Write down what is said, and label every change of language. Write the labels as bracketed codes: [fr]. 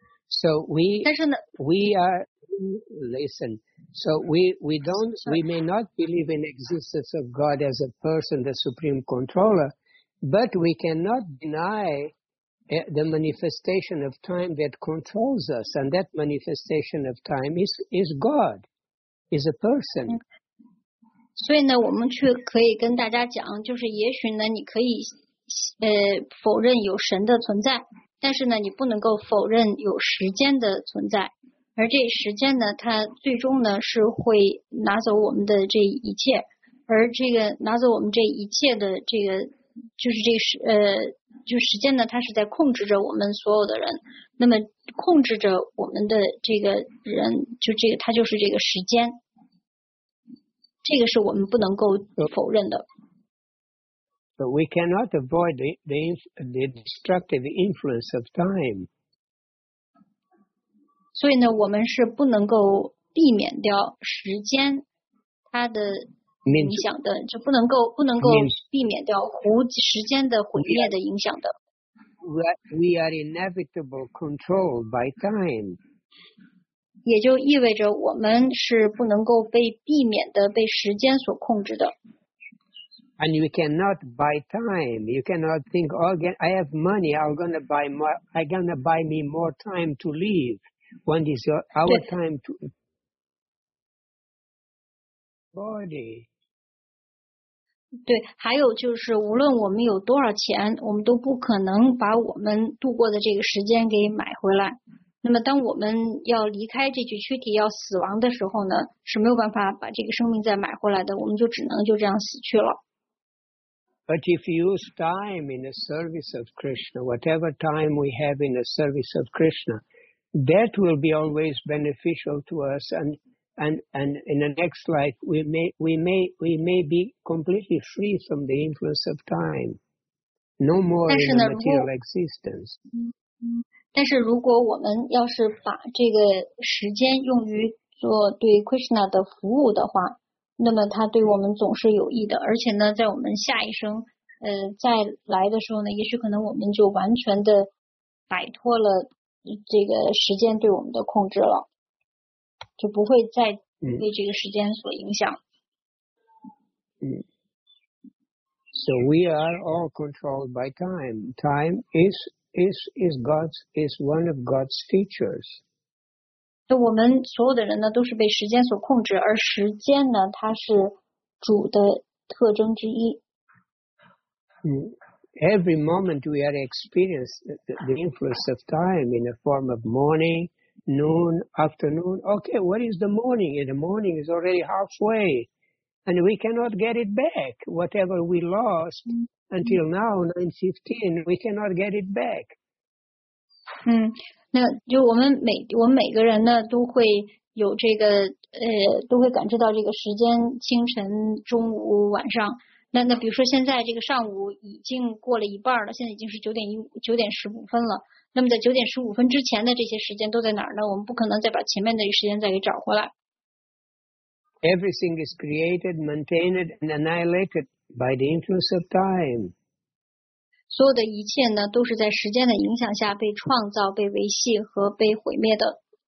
[en] So we may not believe in existence of God as a person, the supreme controller, but we cannot deny the manifestation of time that controls us, and that manifestation of time is God, is a person. [zh] 所以呢，我们去可以跟大家讲，就是也许呢，你可以否认有神的存在，但是呢，你不能够否认有时间的存在。而这时间呢，它最终呢是会拿走我们的这一切，而这个拿走我们这一切的这个就是这就时间呢，它是在控制着我们所有的人。那么控制着我们的这个人，就这个它就是这个时间，这个是我们不能够否认的。 [en] But we cannot avoid the destructive influence of time. [zh] 所以呢，我们是不能够避免掉时间它的影响的，就不能够避免掉时间的毁灭的影响的。 [en] We are inevitably controlled by time. [zh] 也就意味着我们是不能够被避免的被时间所控制的。 [en] And you cannot buy time. You cannot think, oh, I have money. I'm gonna buy me more time to live. When is our time to body? [zh] 对，还有就是，无论我们有多少钱，我们都不可能把我们度过的这个时间给买回来。那么，当我们要离开这具躯体、要死亡的时候呢，是没有办法把这个生命再买回来的。我们就只能就这样死去了。 [en] But if you use time in the service of Krishna, whatever time we have in the service of Krishna. That will be always beneficial to us, and in the next life we may be completely free from the influence of time, no more in the material existence. [zh] 但是如果我们要是把这个时间用于做对 Krishna 的服务的话，那么它对我们总是有益的。而且呢，在我们下一生，再来的时候呢，也许可能我们就完全的摆脱了。这个时间对我们的控制了，就不会再被这个时间所影响。 [en] So we are all controlled by time. Time is is one of God's teachers. [zh] 我们所有的人呢都是被时间所控制，而时间呢它是主的特征之一。 [en] Every moment we are experiencing the influence of time in the form of morning, noon, afternoon. Okay, what is the morning? The morning is already halfway, and we cannot get it back. Whatever we lost until now, 9:15, we cannot get it back. [zh] 那就我们每个人呢都会有这个都会感知到这个时间，清晨、中午、晚上。那比如说现在这个上午已经过了一半了，现在已经是9:15了。那么在9:15之前的这些时间都在哪儿呢？我们不可能再把前面的时间再给找回来。 [en] Everything is created, maintained, and annihilated by the influence of time. [zh] 所有的一切呢，都是在时间的影响下被创造、被维系和被毁灭的。